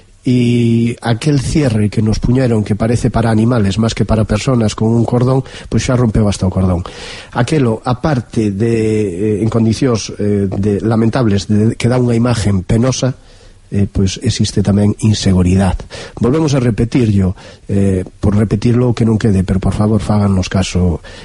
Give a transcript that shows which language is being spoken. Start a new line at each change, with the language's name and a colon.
Spanish: y aquel cierre que nos puñeron, que parece para animales más que para personas, con un cordón, pues
Galician: xa rompeu hasta o cordón. Aquelo, aparte de en condicións de lamentables, de que dá unha imagen penosa, pues existe tamén inseguridad.
Spanish: Volvemos a repetirlo, por repetirlo que non quede, pero por favor fáganos caso.